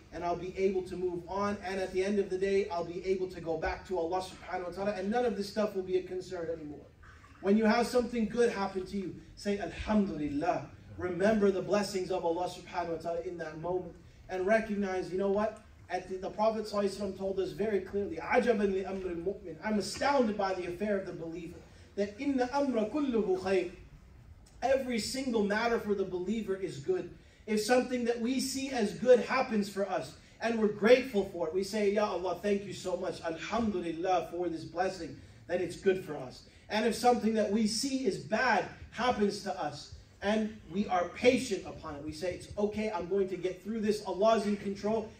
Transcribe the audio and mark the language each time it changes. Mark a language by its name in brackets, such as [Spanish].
[English] And I'll be able to move on. And at the end of the day, I'll be able to go back to Allah subhanahu wa ta'ala. And none of this stuff will be a concern anymore. When you have something good happen to you, say, "Alhamdulillah." Remember the blessings of Allah subhanahu wa ta'ala in that moment. And recognize, you know what? The Prophet sallallahu alayhi wa sallam told us very clearly, [Arabic] عَجَبًا لِأَمْرِ الْمُؤْمِنِ. [English] I'm astounded by the affair of the believer. [Arabic] That إِنَّ أَمْرَ كُلُّهُ خَيْرٌ. [English] Every single matter for the believer is good. If something that we see as good happens for us, and we're grateful for it, we say, Ya Allah, thank you so much. Alhamdulillah for this blessing, that it's good for us. And if something that we see is bad happens to us, and we are patient upon it. We say, it's okay, I'm going to get through this. Allah is in control.